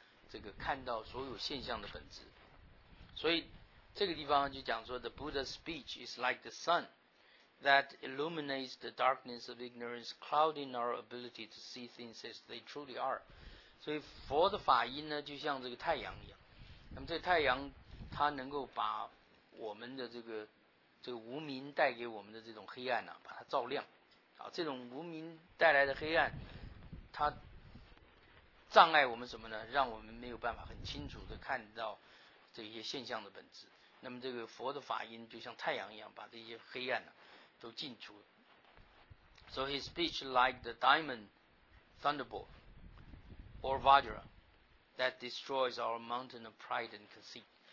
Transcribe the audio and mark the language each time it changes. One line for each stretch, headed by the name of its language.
Chinese: 这个看到所有现象的本质，所以这个地方就讲说
English: The Buddha's speech is like the sun that illuminates the darkness of ignorance, clouding our ability to see things as they truly are.
Chinese: 所以佛的法音呢，就像这个太阳一样，那么这太阳它能够把我们的这个无明带给我们的这种黑暗、啊、把它照亮啊，这种无明带来的黑暗它障碍我们什么呢？让我们没有办法很清楚地看到这些现象的本质。那么这个佛的法音就像太阳一样，把这些黑暗、啊、都浸除了。
English: So his speech like the diamond thunderbolt or vajra that destroys our mountain of pride and conceit.